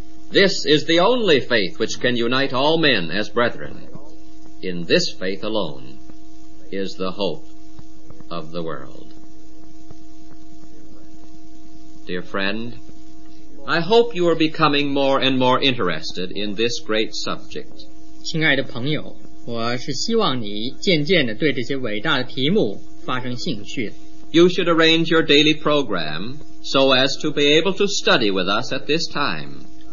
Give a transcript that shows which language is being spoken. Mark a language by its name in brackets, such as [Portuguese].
[English] This is the only faith which can unite all men as brethren. In this faith alone is the hope of the world. Dear friend, I hope you are becoming more and more interested in this great subject. [Chinese] 亲爱的朋友, 我是希望你渐渐地对这些伟大的题目发生兴趣。 [English] You should arrange your daily program so as to be able to study with us at this time.